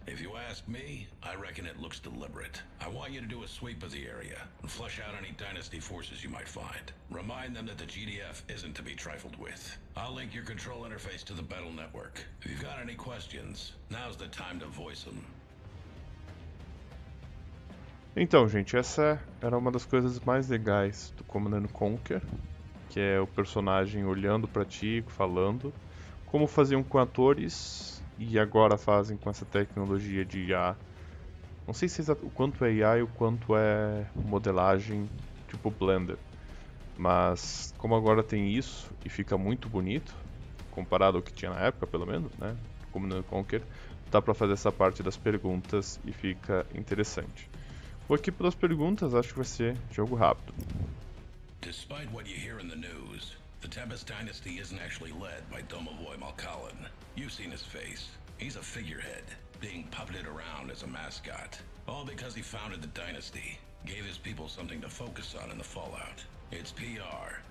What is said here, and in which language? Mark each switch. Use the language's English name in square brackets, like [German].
[English] If you ask me, I reckon it looks deliberate. I want you to do a sweep of the area, and flush out any Dynasty forces you might find. Remind them that the GDF isn't to be trifled with. I'll link your control interface to the battle network. If you've got any questions, now's the time to voice them. [Portuguese] Então, gente, essa era uma das coisas mais legais do Command & Conquer. Que é o personagem olhando pra ti, falando. Como faziam com atores e agora fazem com essa tecnologia de IA. Não sei se o quanto é IA e o quanto é modelagem tipo Blender. Mas como agora tem isso e fica muito bonito, comparado ao que tinha na época, pelo menos, né? Como no Conquer, dá pra fazer essa parte das perguntas e fica interessante. Vou aqui pelas perguntas, acho que vai ser jogo rápido. [English] Despite what you hear in the news, the Tempest Dynasty isn't actually led by Domovoy Malkallen. You've seen his face. He's a figurehead, being puppeted around as a mascot. All because he founded the Dynasty, gave his people something to focus on in the fallout. It's PR.